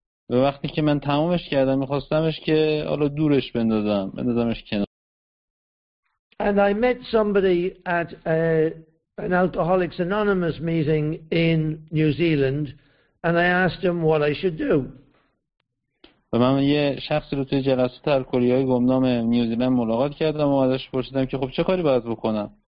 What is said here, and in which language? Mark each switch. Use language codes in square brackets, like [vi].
[fa] و وقتی که من تمامش کردم، می‌خواستمش که حالا دورش بندازمش کنار. [en] And I met somebody at an Alcoholics Anonymous meeting in New Zealand, and I asked him what I should do. [fa] و من یه شخصی رو توی جلسه الکلی‌های گمنام نیوزیلند ملاقات کردم و ازش پرسیدم که خب چه کاری باید بکنم.